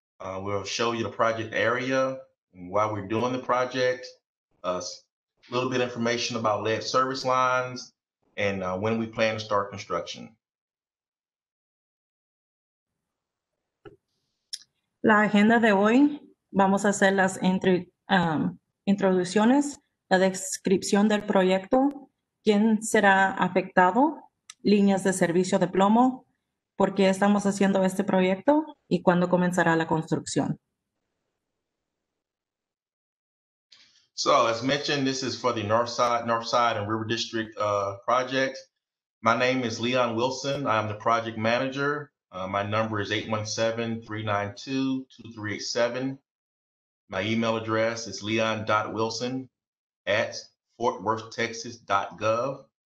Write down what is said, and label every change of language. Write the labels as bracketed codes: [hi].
[en] We'll show you the project area and why we're doing the project. A little bit of information about lead service lines and when we plan to start construction. [es] La agenda de hoy, vamos a hacer las introducciones, la descripción del proyecto, quién será afectado, líneas de servicio de plomo, por qué estamos haciendo este proyecto y cuándo comenzará la construcción. [en] So, as mentioned, this is for the Northside and River District project. My name is Leon Wilson. I'm the project manager. My number is 817-392-2387. My email address is leon.wilson@fortworthtexas.gov.